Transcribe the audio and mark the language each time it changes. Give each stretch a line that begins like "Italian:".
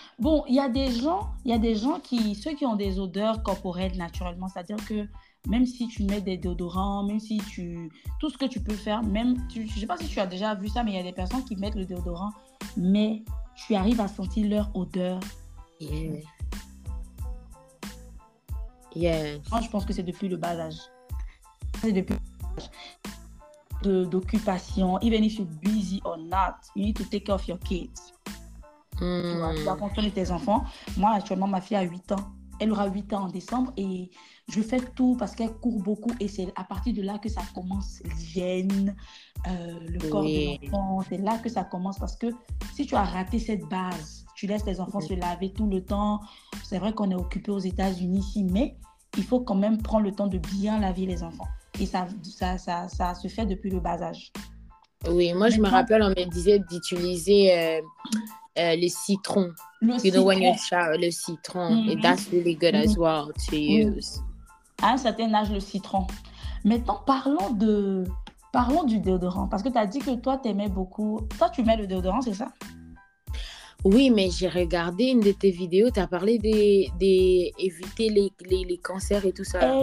French: Bon, il y a des gens, ceux qui ont des odeurs corporelles naturellement, c'est-à-dire que même si tu mets des déodorants, même si tu... Tout ce que tu peux faire, même... Je ne sais pas si tu as déjà vu ça, mais il y a des personnes qui mettent le déodorant, mais tu arrives à sentir leur odeur.
English: Yeah. Yeah.
French: Moi, je pense que c'est depuis le bas âge. C'est depuis le bas âge.
English: D'occupation, even if you're busy or not, you need to take care of your kids. Mm.
French: Tu vois, tu as contrôlé tes enfants. Moi, actuellement, ma fille a 8 ans. Elle aura 8 ans en décembre et je fais tout parce qu'elle court beaucoup et c'est à partir de là que ça commence l'hygiène, le corps de l'enfant. C'est là que ça commence parce que si tu as raté cette base, tu laisses tes enfants se laver tout le temps. C'est vrai qu'on est occupé aux États-Unis ici, mais il faut quand même prendre le temps de bien laver les enfants. Et ça se fait depuis le bas âge. Oui, moi, je me rappelle, on me disait d'utiliser... le citron. Le citron. Mm-hmm.
English: And that's really good as well to use.
French: À un certain âge, le citron. Maintenant, parlons du déodorant. Parce que tu as dit que toi, tu aimais beaucoup... Toi, tu mets le déodorant, c'est ça? Oui, mais j'ai regardé une de tes vidéos. Tu as parlé d'éviter les cancers et tout ça.